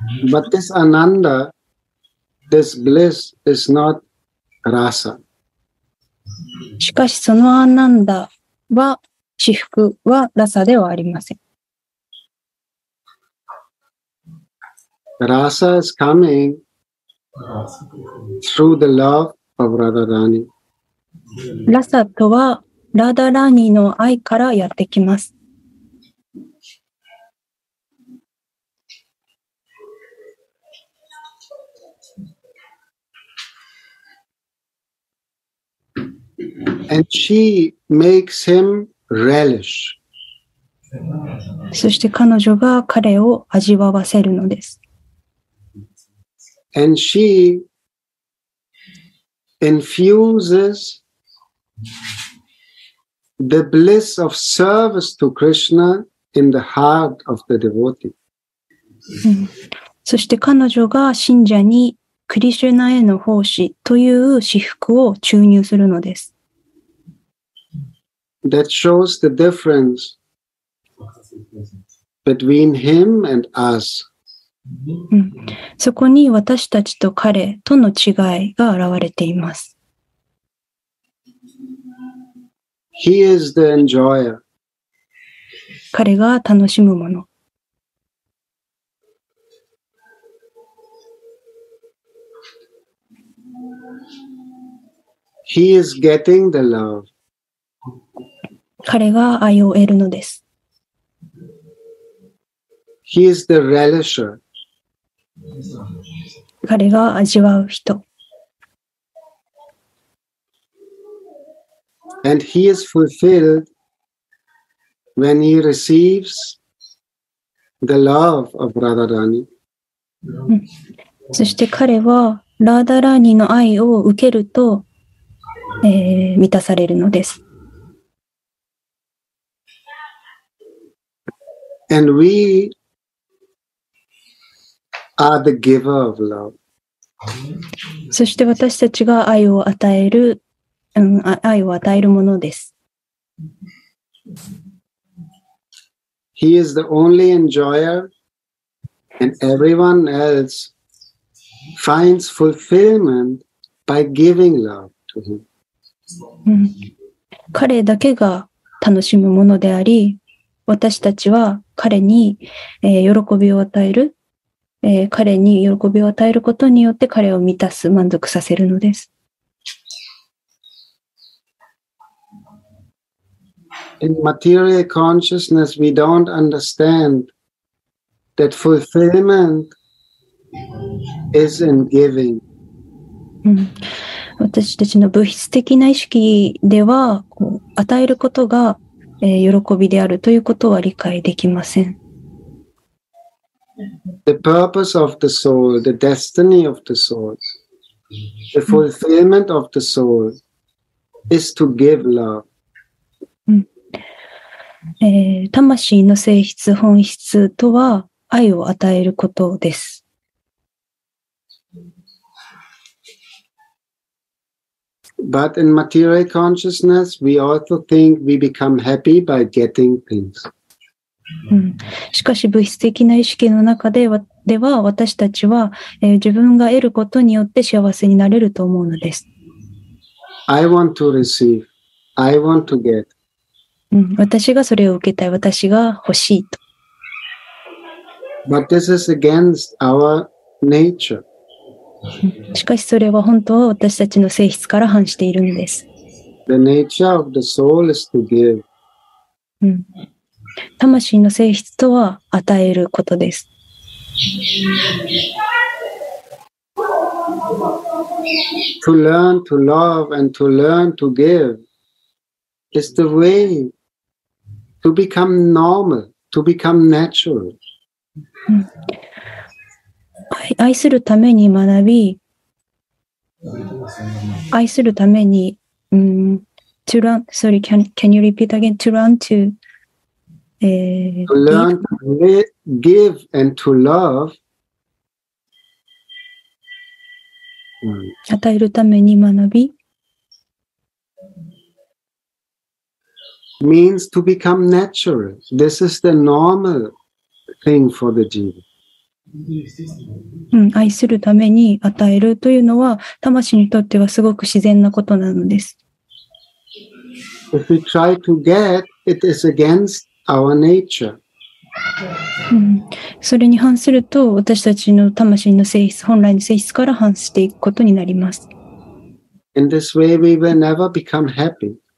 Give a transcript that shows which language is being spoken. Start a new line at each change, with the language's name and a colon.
English: But this ananda, this bliss is not rasa.
Japanese: しかしそのアナンダは、至福はラサではありません。
English: Rasa is coming through the love of Radharani.
Japanese: ラサとはラダラーニの愛からやってきます。
English: And she makes him relish.
Japanese: そして彼女が彼を味わわせるのです。
English: And she infuses the bliss of service to Krishna in the heart of the devotee.
Japanese: そして彼女が信者にクリシュナへの奉仕という至福を注入するのです。
English: That shows the difference between him and us.
Japanese: そこに私たちと彼との違いが現れています。
English: He is the enjoyer.
Japanese: 彼が楽しむもの。
English: He is getting the love.
Japanese: 彼が愛を得るのです。
English: He is the relisher.
Japanese: 彼が味わう人。
English: And he is fulfilled when he receives the love of Radharani.
Japanese: そして彼はラダラーニの愛を受けると、満たされるのです。
English: And we are the giver of love.
Japanese: そして私たちが愛を与える、愛を与えるものです。
English: He is the only enjoyer, and everyone else finds fulfillment by giving love to him.
Japanese: 彼だけが楽しむものであり、私たちは彼に、喜びを与える、彼に喜びを与えることによって彼を満たす、満足させるのです。
English: In material consciousness, we don't understand that fulfillment is in giving.
Japanese: 私たちの物質的な意識では、こう与えることが、喜びであるということは理解できません。
English: The purpose of the soul, the destiny of the soul, the fulfillment of the soul is to give love.
Japanese: 魂の性質、本質とは愛を与えることです。
English: But in material consciousness, we also think we become happy by getting things.
Japanese: しかし物質的な意識の中では私たちは、自分が得ることによって幸せになれると思うのです。
English: I want to receive. I want to get.
Japanese: 私がそれを受けたい、私が欲しいと。
English: But this is against our nature.
Japanese: しかしそれは本当は私たちの性質から反しているんです。
English: The nature of the soul is to give.
Japanese: 魂の性質とは与えることです。
English: To learn to love and to learn to give is the way. To become normal, to become natural.
Japanese: 愛するために学び、愛するために、
English: to learn, sorry, can you repeat again? To learn to, to learn to give and to love.
Japanese: 与えるために学び、
English: means to become natural. This is the normal thing for the jiva.
Japanese: 愛するために与えるというのは魂にとってはすごく自然なことなのです。
English: If we try to get, it is against our nature.
Japanese: それに反すると私たちの魂の性質、本来の性質から反していくことになります。
English: In this way, we will never become happy.